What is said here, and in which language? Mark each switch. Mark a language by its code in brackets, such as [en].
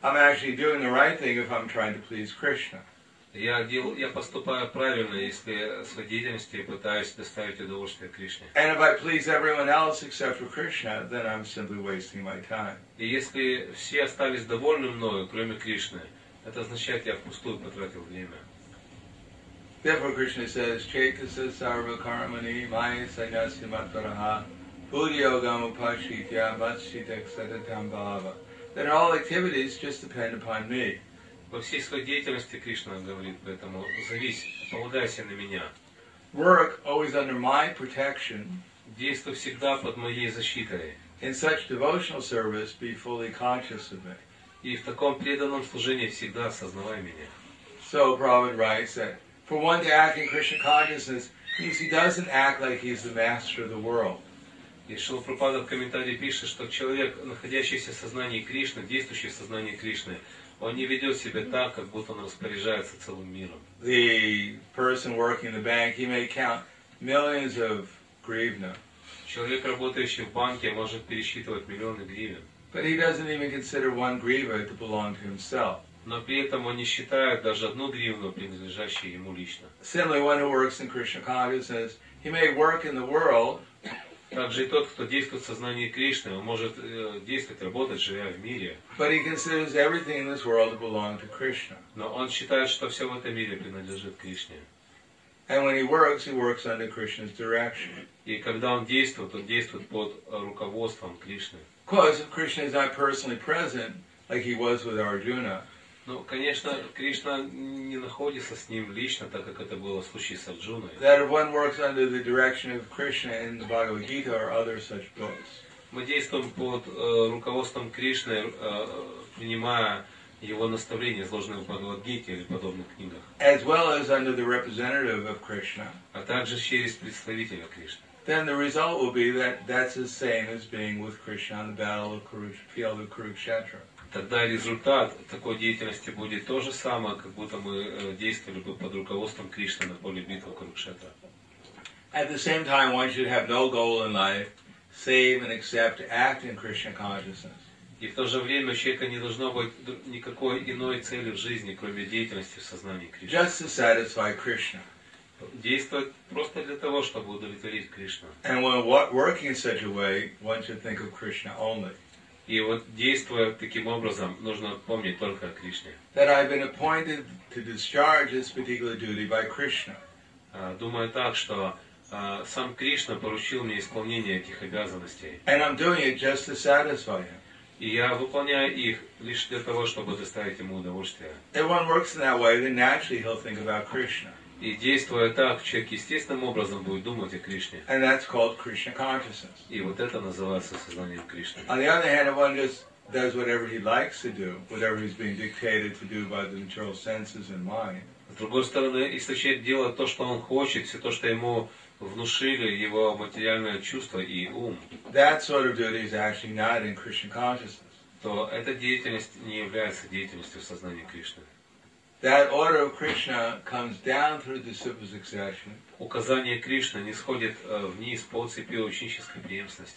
[en] I'm actually doing the right thing if I'm trying to please Krishna. [ru] Я поступаю правильно, если своей деятельностью пытаюсь доставить удовольствие Кришне. [en] And if I please everyone else except for Krishna, then I'm simply wasting my time. [ru] И если все остались довольны мною, кроме Кришны, это означает, я впустую потратил время. [en] Therefore, Krishna says, [sa] Chaitasya sarva karmani maya sanyasi matvaraha bhūryogam upashitya vatshitek satatam bhava. [en] Then all activities just depend upon me. [ru] Во всей своей деятельности Кришна говорит, поэтому зависть, полагайся на меня. [en] Work always under my protection. [ru] Действуй всегда под моей защитой. [en] In such devotional service, be fully conscious of me. [ru] И в таком преданном служении всегда осознавай меня. [en] So Prabhupada writes that for one to act in Krishna consciousness means he doesn't act like he's the master of the world. [ru] И Шрила Прабхупада в комментарии пишет, что человек, находящийся в сознании Кришны, действующий в сознании Кришны, он не ведет себя так, как будто он распоряжается целым миром. [en] The person working in the bank, he may count millions of hryvnia. [ru] Человек, работающий в банке, может пересчитывать миллионы гривен. [en] But he doesn't even consider one hryvnia to belong to himself. [ru] Но при этом он не считает даже одну гривну принадлежащей ему лично. [en] Similarly, one who works in Krishna consciousness, he may work in the world. [ru] Также и тот, кто действует в сознании Кришны, он может действовать, работать, живя в мире. [en] But he considers everything in this world to belong to Krishna. [ru] Но он считает, что все в этом мире принадлежит Кришне. [en] And when he works under Krishna's direction. [ru] И когда он действует, он действует под руководством Кришны. [en] Because if Krishna is not personally present, like he was with Arjuna. [ru] Ну, конечно, Кришна не находится с ним лично, так как это было в случае с Арджуной. [en] That one works under the direction of Krishna in the Bhagavad Gita or other such books. [ru] Мы действуем под руководством Кришны, принимая его наставления, изложенные в Бхагавад Гите или подобных книгах. [en] As well as under the representative of Krishna. [ru] А также через представителя Кришны. [en] Then the result will be that's the same as being with Krishna on the battle of field of Kurukshetra. [ru] Тогда результат такой деятельности будет то же самое, как будто мы действовали бы под руководством Кришны на поле битвы Курукшетра. [en] At the same time, one should have no goal in life, save and except act in Krishna consciousness. [ru] И в то же время у человека не должно быть никакой иной цели в жизни, кроме деятельности в сознании Кришны. [en] Just to satisfy Krishna. [ru] Действовать просто для того, чтобы удовлетворить Кришну. [en] And when working in such a way, one should think of Krishna only. [ru] И вот действуя таким образом, нужно помнить только о Кришне. [en] That I've been appointed to discharge this particular duty by Krishna. [ru] Думаю так, что сам Кришна поручил мне исполнение этих обязанностей. [en] And I'm doing it just to satisfy him. [ru] И я выполняю их лишь для того, чтобы доставить ему удовольствие. [en] If one works in that way, then naturally he'll think about Krishna. [ru] И действуя так, человек естественным образом будет думать о Кришне. [en] And that's called Krishna consciousness. [ru] И вот это называется сознанием Кришны. [en] On the other hand, if one just does whatever he likes to do, whatever he's being dictated to do by the material senses and mind. [ru] С другой стороны, если человек делает то, что он хочет, все то, что ему внушили его материальное чувство и ум, [en] that sort of duty is actually not in Krishna consciousness. [ru] То эта деятельность не является деятельностью сознания Кришны. [en] That order of Krishna comes down through the super succession. [ru] Указание Кришны нисходит вниз по цепи ученической преемственности.